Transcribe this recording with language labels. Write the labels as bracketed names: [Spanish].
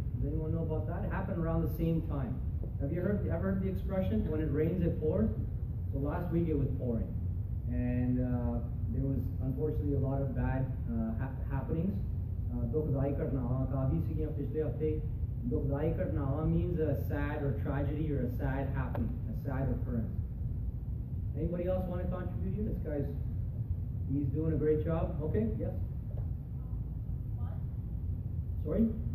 [English] Does anyone know about that? It happened around the same time. Have you ever heard the expression, when it rains, it pours? So last week it was pouring. And there was unfortunately a lot of bad happenings. [Punjabi] ਦੁਖਦਾਈ ਘਟਨਾਵਾਂ ਕਾਫੀ ਸੀਗੀਆਂ ਪਿਛਲੇ ਹਫ਼ਤੇ. ਦੁਖਦਾਈ ਘਟਨਾਵਾਂ [English] Means a sad or tragedy or a sad happening, a sad occurrence. Anybody else want to contribute here? This guy's, he's doing a great job. Okay, yes. Sorry?